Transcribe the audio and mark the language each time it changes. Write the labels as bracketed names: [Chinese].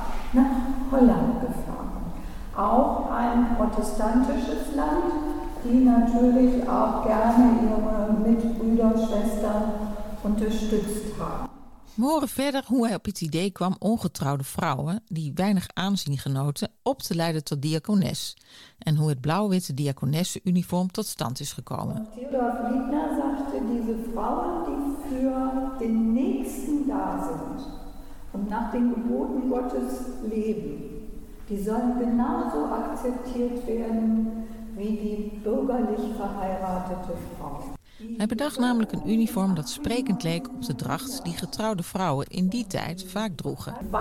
[Dutch] Naar Holland gegaan. Ook een protestantisch land, die natuurlijk ook [German] gerne ihre Mitbrüder, Schwestern unterstützt haben. [Dutch] We horen verder hoe hij op het idee kwam ongetrouwde vrouwen, die weinig aanzien genoten, op te leiden tot diakones. En hoe het blauw-witte diakonessenuniform tot stand is gekomen. [German] Theodor Vlietner sagte, diese Frauen, die für den Nächsten da sind und nach den Geboten Gottes leben, die sollen genauso akzeptiert werden wie die bürgerlich verheiratete Frau. [Dutch] Hij bedacht namelijk een uniform dat sprekend leek op de dracht die getrouwde vrouwen in die tijd vaak droegen.